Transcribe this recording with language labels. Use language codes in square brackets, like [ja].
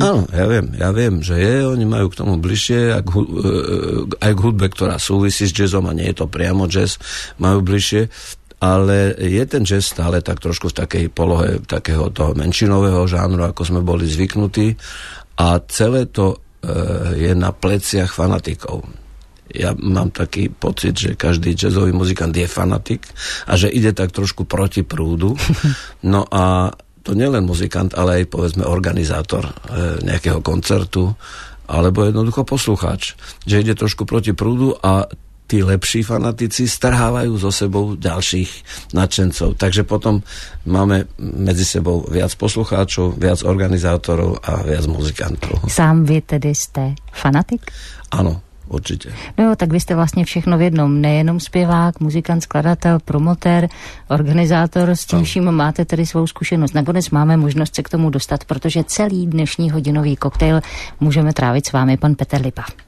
[sk] Áno, ja viem, že je, oni majú k tomu bližšie, aj k hudbe, ktorá súvisí s jazzom a nie je to priamo jazz, majú bližšie, ale je ten jazz stále tak trošku v takej polohe takého toho menšinového žánru, ako sme boli zvyknutí a celé to je na pleciach fanatikov. Ja mám taký pocit, že každý jazzový muzikant je fanatik a že ide tak trošku proti prúdu. No a to nielen muzikant, ale aj povedzme organizátor nejakého koncertu alebo jednoducho poslucháč, že ide trošku proti prúdu a tí lepší fanatici strhávajú zo sebou ďalších nadšencov. Takže potom máme medzi sebou viac poslucháčov, viac organizátorov a viac muzikantov. [cs] Sám vy tedy ste fanatik? [sk] Áno. Určitě. [cs] No jo, tak vy jste vlastně všechno v jednom, nejenom zpěvák, muzikant, skladatel, promotér, organizátor, s tím vším máte tedy svou zkušenost. Nakonec máme možnost se k tomu dostat, protože celý dnešní hodinový koktejl můžeme trávit s vámi, pan Petr Lipa.